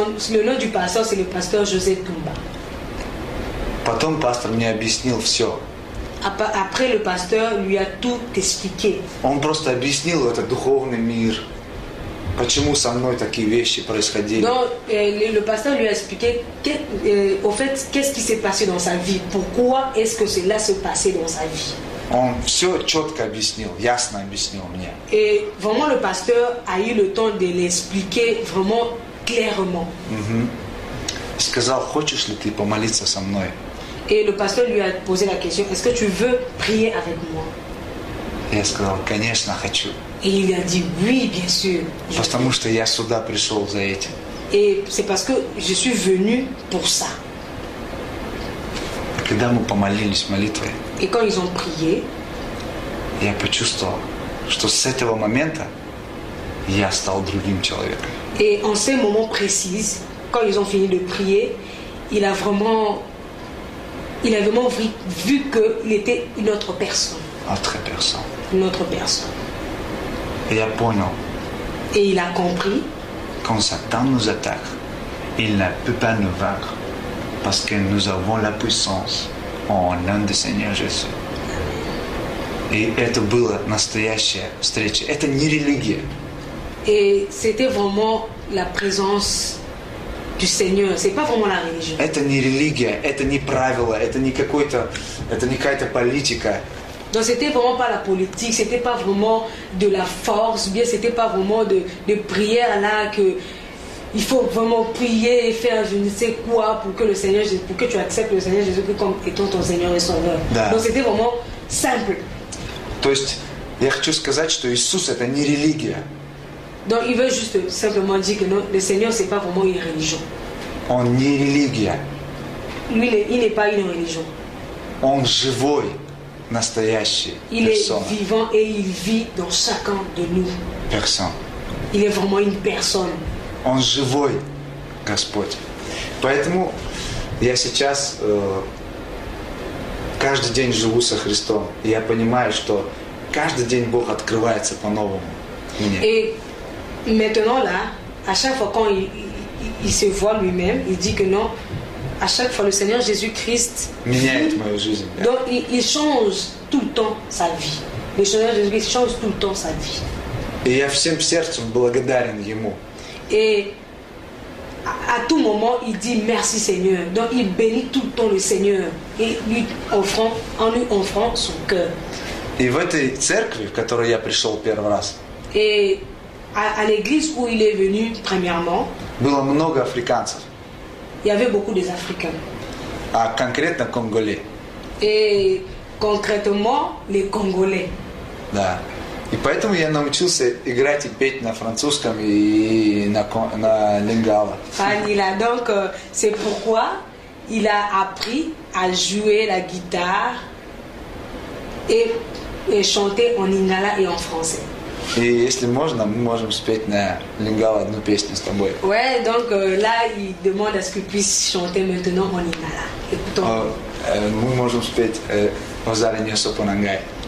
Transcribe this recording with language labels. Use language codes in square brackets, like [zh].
[fr] Le nom du pasteur c'est le pasteur José Ntumba. [ru] Потом пастор мне объяснил все. [fr] Après le pasteur lui a tout expliqué. [ru] Он просто объяснил этот духовный мир, почему со мной такие вещи происходили. [fr] Le pasteur lui a expliqué au fait qu'est-ce qui s'est passé dans sa vie, pourquoi est-ce que cela se passait dans sa vie. [ru] Он все четко объяснил, ясно объяснил мне. [fr] И, vraiment, le pasteur a eu le temps de l'expliquer vraiment clairement. [ru] Сказал, хочешь ли ты помолиться со мной? [fr] Et le pasteur lui a posé la question, est-ce que tu veux prier avec moi? [ru] Я сказал, конечно, хочу. [fr] Et il a dit, oui, bien sûr. [ru] Потому что я сюда пришел за этим. [fr] Et c'est parce que je suis venu pour ça. [ru] Когда мы помолились молитвой, [fr] et quand ils ont prié, [ru] я почувствовал, что с этого момента я стал другим человеком. [fr] Et en ce moment précis, quand ils ont fini de prier, il a vraiment vu qu'il était une autre personne. Autre personne. Une autre personne. Et il a compris. Et il a compris. Quand Satan nous attaque, il ne peut pas nous vaincre. Parce que nous avons la puissance en nom du Seigneur Jésus. [ru] Et это была настоящая встреча. Это не религия. [fr] Et c'était vraiment la présence du Seigneur. C'est pas vraiment la religion. [ru] Это не религия. Это не правило. Это не какой-то. Это не какая-то политика. [fr] Donc c'était vraiment pas la politique. C'était pas vraiment de la force. Bien, c'était pas vraiment de prière là que. Il faut vraiment prier et faire je ne sais quoi pour que le Seigneur Jésus, pour que tu acceptes le Seigneur Jésus comme étant ton Seigneur et Sauveur. [ru] Да. [fr] Donc c'était vraiment simple. [ru] То есть я хочу сказать, что Иисус это не религия. [fr] Donc il veut juste simplement dire que non, le Seigneur c'est pas vraiment une religion. [ru] Он не религия. [fr] Lui, il n'est pas une religion. [ru] Он живой, настоящий. [fr] Il est vivant et il vit dans chacun de nous. Personne. Il est vraiment une personne. [ru] Он живой, Господь. Поэтому я сейчас каждый день живу со Христом. И я понимаю, что каждый день Бог открывается по-новому мне. [fr] Et maintenant là, à chaque fois quand il se voit lui-même, il dit que non, à chaque fois le Seigneur Jésus-Christ [ru] меняет мою жизнь. [fr] Donc il change tout le temps sa vie. Le Seigneur Jésus-Christ change tout le temps sa vie. [ru] И я всем сердцем благодарен ему. [fr] Et à tout moment, il dit merci Seigneur. Donc il bénit tout le temps le Seigneur et lui offrant, en lui offrant son cœur. [ru] Et в этой церкви, в которую я пришел первый раз. [fr] Et à l'église où il est venu premièrement. [ru] Было много африканцев. [fr] Il y avait beaucoup des Africains. [ru] А конкретно Congolais. [fr] Et concrètement les Congolais. [ru] Да. И поэтому я научился играть и петь на французском и на лингало. [fr] Il a donc c'est pourquoi il a appris à jouer la guitare et chanter en lingala et en français. [ru] И если можно, мы можем спеть на лингало одну песню с тобой. [fr] Ouais, donc là il demande à ce qu'il puisse chanter maintenant en lingala. [ru] Мы можем спеть Озари Ньосо Понангай.